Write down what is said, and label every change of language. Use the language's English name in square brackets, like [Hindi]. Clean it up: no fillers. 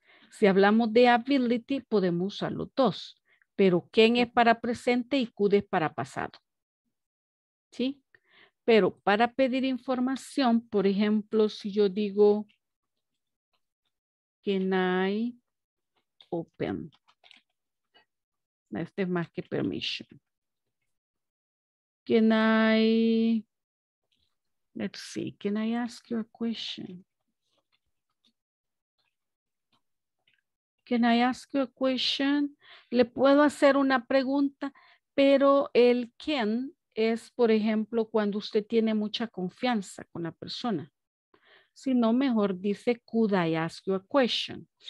[Spanish] Si hablamos de ability, podemos usar los dos. Pero can es para presente y could es para pasado. ¿Sí? Pero para pedir información, por ejemplo, si yo digo, [English] can I open? [Spanish] Este es más que permission. [English] Can I, let's see, can I ask you a question? Can I ask you a question? [Spanish] Le puedo hacer una pregunta, pero el can es, por ejemplo, cuando usted tiene mucha confianza con la persona. Si no, mejor dice, [English] could I ask you a question?